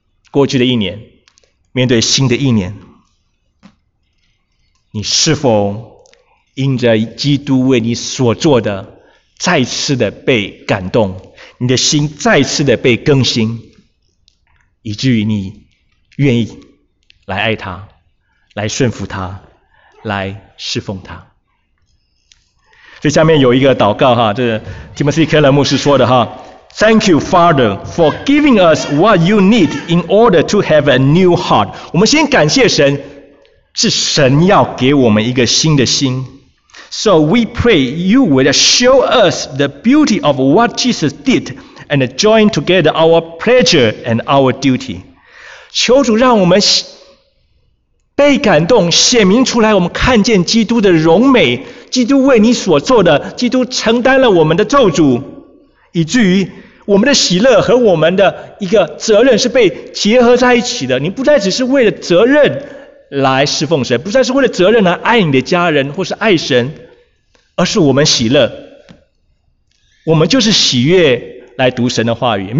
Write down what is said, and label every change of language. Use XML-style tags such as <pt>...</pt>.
<zh>过去的一年，面对新的一年，你是否因着基督为你所做的再次的被感动，你的心再次的被更新，以至于你愿意来爱他，来顺服他，来侍奉他。所以下面有一个祷告哈，这是 Timothy Keller 牧师说的哈，</zh> <en>Thank you Father for giving us what you need in order to have a new heart。</en> <zh>我们先感谢神，是神要给我们一个新的心。</zh> <en>So we pray you will show us the beauty of what Jesus did and join together our pleasure and our duty。</en> <zh>求主让我们被感动，显明出来我们看见基督的荣美，基督为你所做的，基督承担了我们的咒诅，以至于我们的喜乐和我们的一个责任是被结合在一起的。你不再只是为了责任来侍奉神，不再是为了责任来爱你的家人或是爱神，而是我们喜乐，我们就是喜悦来读神的话语。</zh>